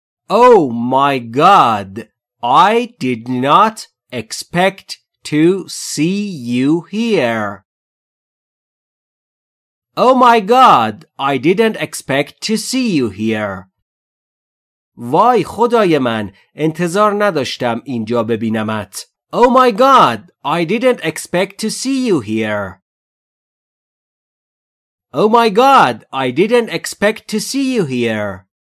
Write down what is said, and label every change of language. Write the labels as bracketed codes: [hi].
[en] Oh my God, I did not expect to see you here. Oh my God, I didn't expect to see you here. [fa] وای خدای من، انتظار نداشتم اینجا ببینمت. [en] Oh my God, I didn't expect to see you here. Oh my God, I didn't expect to see you here.